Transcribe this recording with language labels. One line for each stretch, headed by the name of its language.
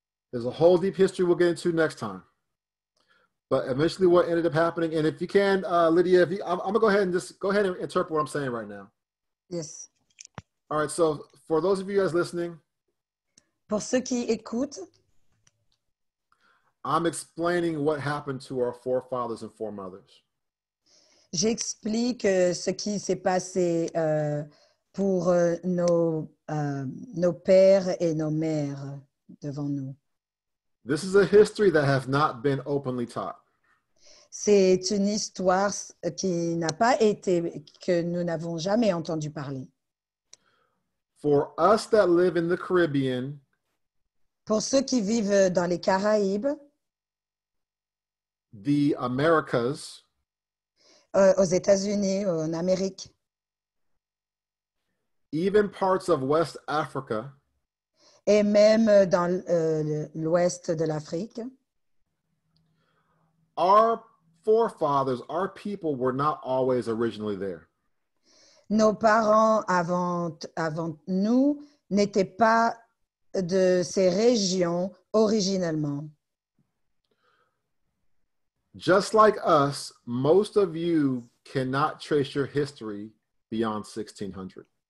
English: There's a whole deep history we'll get into next time. But eventually what ended up happening, and if you can, Lydia, I'm going to go ahead and just go ahead and interpret what I'm saying right now. Yes. All right, so for those of you guys listening.
French: Pour ceux qui écoutent.
English: I'm explaining what happened to our forefathers and foremothers.
French: J'explique ce qui s'est passé pour nos pères et nos mères devant nous.
English: This is a history that has not been openly taught.
French: C'est une histoire qui n'a pas été, que nous n'avons jamais entendu parler.
English: For us that live in the Caribbean,
French: pour ceux qui vivent dans les Caraïbes,
English: the Americas,
French: aux États-Unis, en Amérique,
English: even parts of West Africa,
French: et même dans l'ouest de l'Afrique.
English: Our forefathers, our people were not always originally there.
French: Nos parents avant nous n'étaient pas de ces régions originellement.
English: Just like us, most of you cannot trace your history beyond 1600.